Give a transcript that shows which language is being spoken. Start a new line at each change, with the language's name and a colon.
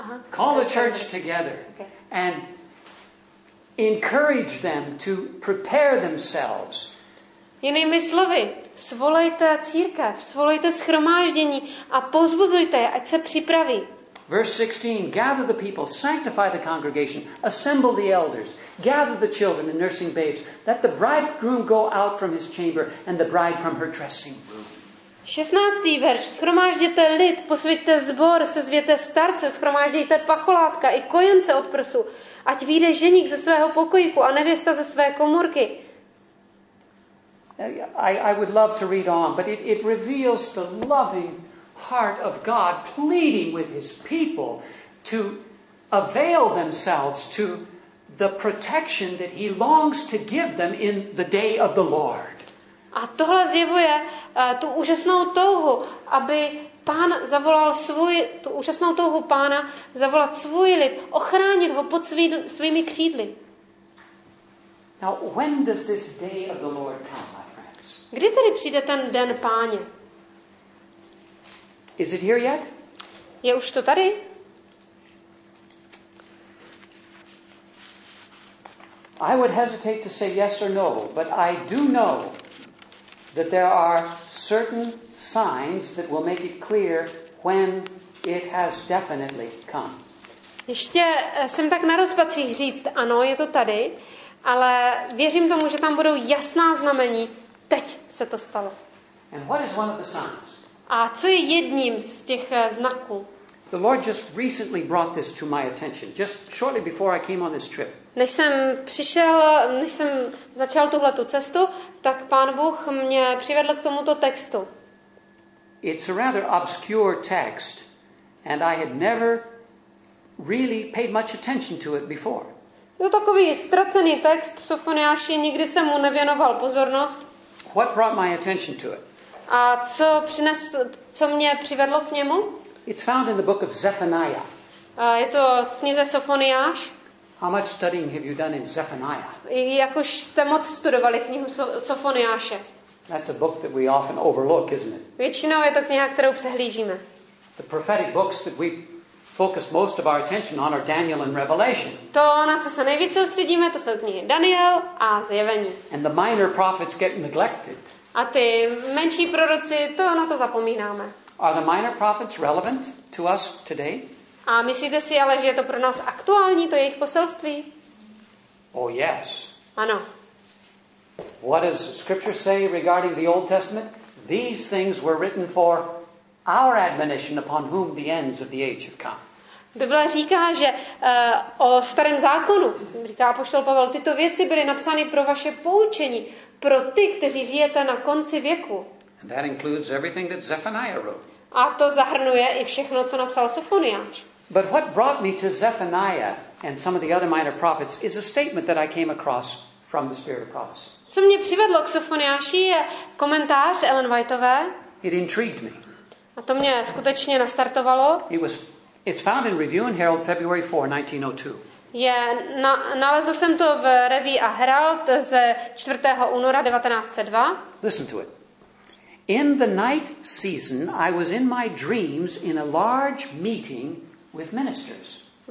English: Call the church together and encourage them to prepare themselves.
Czech: Jinými slovy, svolejte církev, svolejte shromáždění a pozbuzujte je, ať se připraví.
English: Verse 16, gather the people, sanctify the congregation, assemble the elders, gather the children and nursing babes, let the bridegroom go out from his chamber and the bride from her dressing room.
Czech: 16. verš, shromážděte lid, posvěťte zbor, sezvěte starce, shromáždějte pacholátka i kojence od prsu, ať vyjde ženík ze svého pokojíku a nevěsta ze své komůrky.
English: I would love to read on, but it reveals the loving heart of God pleading with his people to avail themselves to the protection that he longs to give them in the day of the Lord.
Czech: A tohle zjevuje tu úžasnou touhu, aby Pán zavolal tu úžasnou touhu Pána zavolat svůj lid, ochránit ho pod svými křídly.
English: Now, when does this day of the Lord come, my friends?
Czech: Kdy tedy přijde ten den Páně?
English: Is it here yet?
Czech: Je už to tady?
English: I would hesitate to say yes or no, but I do know that there are certain signs that will make it clear when it has definitely come.
Czech: Ještě jsem tak na rozpacích říct, ano, je to tady, Ale věřím tomu, že tam budou jasná znamení. Teď se to stalo.
English: And what is one of the signs?
Czech: A co je jedním z těch znaků?
English: The Lord just recently brought this to my attention, just shortly before I came on this trip.
Czech: Než jsem přišel, než jsem začal tuhle tu cestu, tak Pán Bůh mě přivedl k tomuto textu.
English: It's a rather obscure text, and I had never really paid much attention to it before.
Czech: To takový ztracený text, Sofoniáši, nikdy jsem mu nevěnoval pozornost.
English: What brought my attention to it?
Czech: A co přineslo, co mě přivedlo k němu?
English: It's found in the book of Zephaniah.
Czech: A je to v knize Sofoniáš.
English: How much studying have you done in Zephaniah?
Czech: Jak už jste moc studovali knihu Sofoniáše?
English: That's a book that we often overlook, isn't it?
Czech: Většinou je to kniha, kterou přehlížíme.
English: The prophetic books that we focus most of our attention on are Daniel and Revelation.
Czech: To, na co se nejvíc soustředíme, to jsou knihy Daniel a Zjevení.
English: And the minor prophets get neglected.
Czech: A ty menší proroci, to na to zapomínáme.
English: Are the minor prophets relevant to us today?
Czech: A myslíte si ale, že je to pro nás aktuální, to jejich poselství?
English: Oh yes.
Czech: Ano.
English: What does scripture say regarding the Old Testament? These things were written for our admonition upon whom the ends of the age have come.
Czech: Bible říká, že o starém zákonu, říká apoštol Pavel, tyto věci byly napsány pro vaše poučení, pro ty, kteří žijete na konci věku.
English: And that includes everything that Zephaniah wrote.
Czech: A to zahrnuje i všechno, co napsal Sofoniáš.
English: But what brought me to Zephaniah and some of the other minor prophets is a statement that I came across from the Spirit of Prophecy.
Czech: Co mě přivedlo k Sofoniáši je komentář Ellen Whiteové.
English: It intrigued me.
Czech: A to mě skutečně nastartovalo.
English: It's found in Review and Herald February 4, 1902.
Czech: Nalezl jsem to v Review a Herald ze 4. února 1902.
English: Listen to it. In the night season, I was in my dreams in a large meeting with ministers.